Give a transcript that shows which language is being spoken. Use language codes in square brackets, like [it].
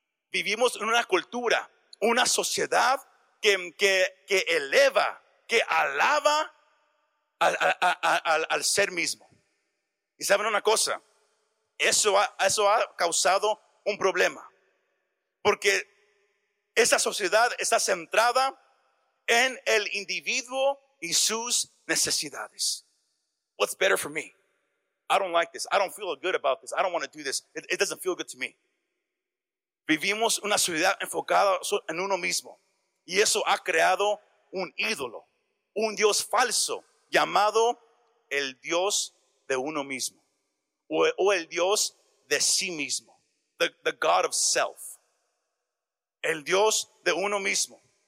[es] Vivimos en una cultura, una sociedad que eleva, que alaba al ser mismo. Y saben una cosa, eso ha causado un problema, porque esa sociedad está centrada en el individuo y sus necesidades. [en] What's better for me? I don't like this. I don't feel good about this. I don't want to do this. It doesn't feel good to me. [es] Vivimos una sociedad enfocada en uno mismo, y eso ha creado un ídolo, un Dios falso llamado el Dios de uno mismo, o el Dios de sí mismo, [en] the God of self, [es] el Dios de uno mismo.